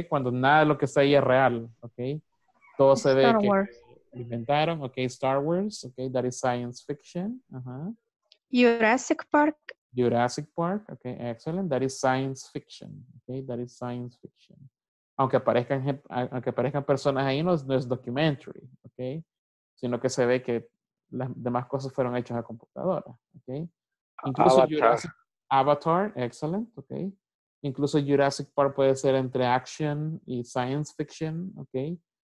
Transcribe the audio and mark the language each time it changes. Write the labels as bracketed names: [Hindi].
[Spanish] Cuando nada de lo que está ahí es real, ¿ok? Todo se ve que... Inventaron, [English] okay, Star Wars, okay, that is science fiction. Uh-huh. Jurassic Park Jurassic Park, okay, excellent. That is science fiction, okay, that is science fiction. [Spanish] Aunque aparezcan personas ahí, no es documentary, okay, sino que se ve que las demás cosas fueron hechas a computadora, okay. Incluso Avatar. [English] Avatar, excellent, okay. [Spanish] Incluso Jurassic Park puede ser entre action y science fiction, okay.